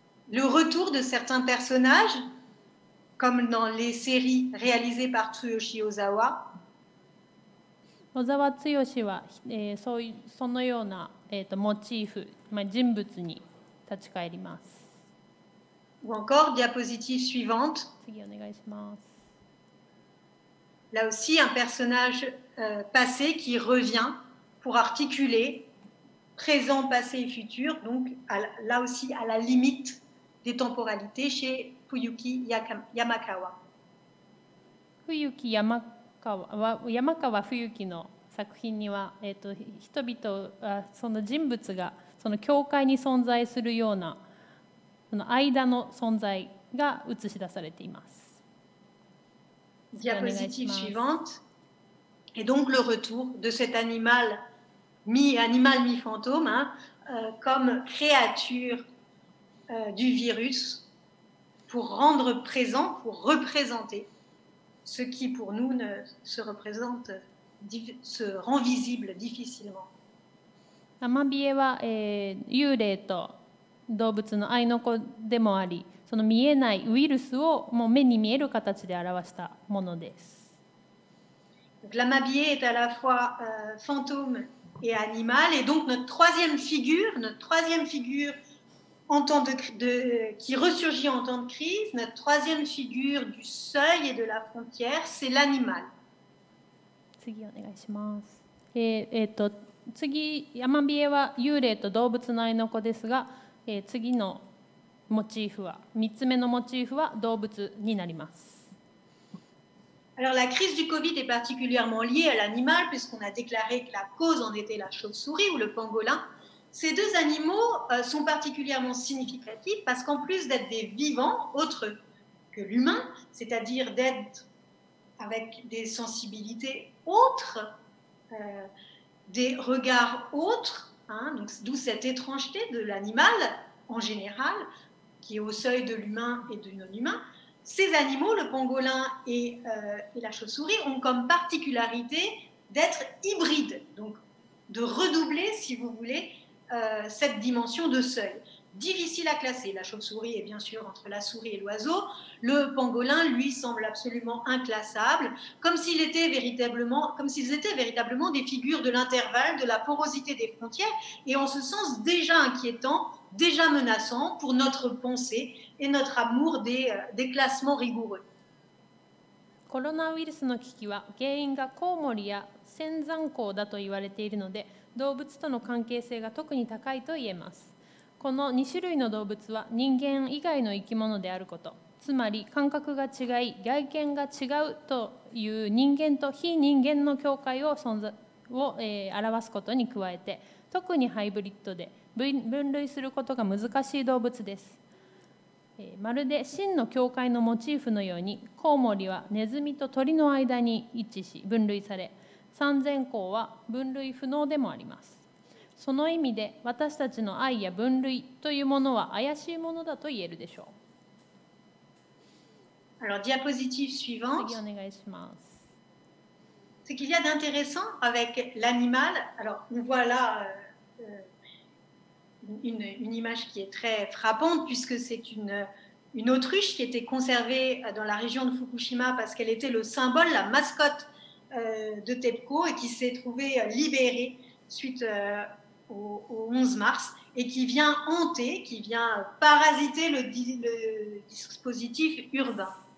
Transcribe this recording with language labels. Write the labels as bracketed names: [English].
[French] Le retour de certains personnages, comme dans les séries réalisées par Tsuyoshi Ozawa. [Japanese] Ozawa Tsuyoshi は、そのような、モチーフ、まあ、人物に立ち返ります。 [French] Ou encore, diapositive suivante. [Japanese] 次お願いします。 [French] Là aussi, un personnage passé qui revient pour articuler présent, passé et futur, donc là aussi à la limite. Des temporalités chez Fuyuki Yamakawa. [Japanese] Fuyuki Yamakawa, Yamakawa Fuyuki の作品には、人々、その人物がその境界に存在するようなその間の存在が映し出されています。 [French] Diapositive suivante. Et donc le retour de cet animal mi-animal mi-fantôme, hein, comme créature. Du virus pour rendre présent, pour représenter ce qui pour nous ne se représente, se rend visible difficilement. [Japanese] アマビエは、幽霊と動物の愛の子でもあり、その見えないウイルスをもう目に見える形で表したものです。 [French] La Mabie est à la fois fantôme et animal, et donc notre troisième figure. En temps de qui ressurgit en temps de crise, notre troisième figure du seuil et de la frontière, c'est l'animal. [Japanese] 次お願いします。次ヤマビエは幽霊と動物の愛の子ですが、次のモチーフは三つ目のモチーフは動物になります。 [French] Alors la crise du Covid est particulièrement liée à l'animal puisqu'on a déclaré que la cause en était la chauve-souris ou le pangolin. Ces deux animaux sont particulièrement significatifs parce qu'en plus d'être des vivants autres que l'humain, c'est-à-dire d'être avec des sensibilités autres, des regards autres, hein, donc d'où cette étrangeté de l'animal en général, qui est au seuil de l'humain et du non-humain, ces animaux, le pangolin et la chauve-souris, ont comme particularité d'être hybrides, donc de redoubler, si vous voulez,cette dimension de seuil difficile à classer. La chauve-souris est bien sûr entre la souris et l'oiseau. Le pangolin, lui, semble absolument inclassable, comme s'ils étaient véritablement des figures de l'intervalle, de la porosité des frontières, et en ce sens déjà inquiétant, déjà menaçant pour notre pensée et notre amour des classements rigoureux. [Japanese] コロナウイルスの危機は原因がコウモリや仙山鉱だと言われているので。動物との関係性が特に高いと言えます。この2種類の動物は人間以外の生き物であること、つまり感覚が違い、外見が違うという人間と非人間の境界を表すことに加えて、特にハイブリッドで分類することが難しい動物です。まるで真の境界のモチーフのように、コウモリはネズミと鳥の間に位置し、分類され、三千鉱は分類不能でもあります。その意味で私たちの愛や分類というものは怪しいものだと言えるでしょう。 [French] Alors, diapositive suivante. [Japanese] 次お願いします。 [French] Ce qu'il y a d'intéressant avec l'animal, alors on voit là une image qui est très frappante puisque c'est une autruche qui était conservée dans la région de Fukushima parce qu'elle était le symbole, la mascottede TEPCO et qui s'est trouvée libérée suite au 11 mars et qui vient hanter, qui vient parasiter le dispositif urbain.